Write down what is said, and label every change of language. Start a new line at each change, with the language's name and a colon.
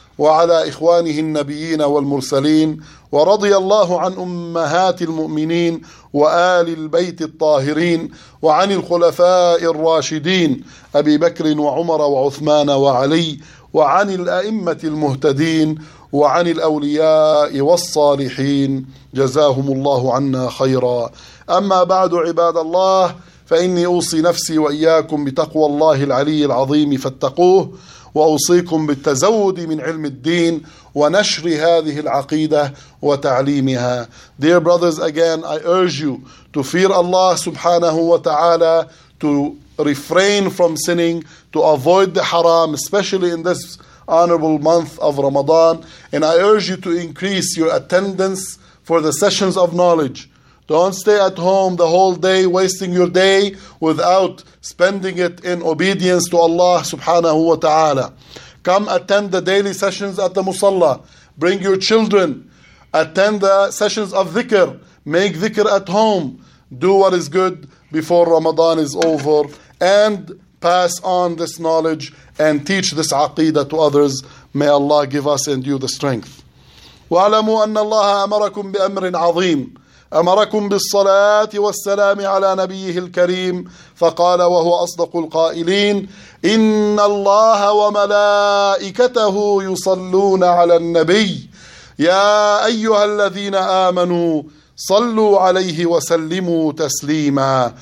Arabic: وعلى إخوانه النبيين والمرسلين، ورضي الله عن أمهات المؤمنين وآل البيت الطاهرين، وعن الخلفاء الراشدين أبي بكر وعمر وعثمان وعلي، وعن الأئمة المهتدين، وعن الأولياء والصالحين، جزاهم الله عنا خيرا. أما بعد عباد الله، فإني أوصي نفسي وإياكم بتقوى الله العلي العظيم فاتقوه، وأوصيكم بالتزود من علم الدين ونشر هذه العقيدة وتعليمها.
English: Dear brothers, again I urge you to fear Allah subhanahu wa ta'ala, to refrain from sinning, to avoid the haram, especially in this honorable month of Ramadan. And I urge you to increase your attendance for the sessions of knowledge. Don't stay at home the whole day, wasting your day without spending it in obedience to Allah subhanahu wa ta'ala. Come attend the daily sessions at the Musalla. Bring your children. Attend the sessions of dhikr. Make dhikr at home. Do what is good before Ramadan is over. And pass on this knowledge and teach this aqidah to others. May Allah give us and you the strength.
Arabic: وَعْلَمُوا أَنَّ اللَّهَ أَمَرَكُمْ بِأَمْرٍ عَظِيمٍ أمركم بالصلاة والسلام على نبيه الكريم، فقال وهو أصدق القائلين: إن الله وملائكته يصلون على النبي، يا أيها الذين آمنوا صلوا عليه وسلموا تسليما.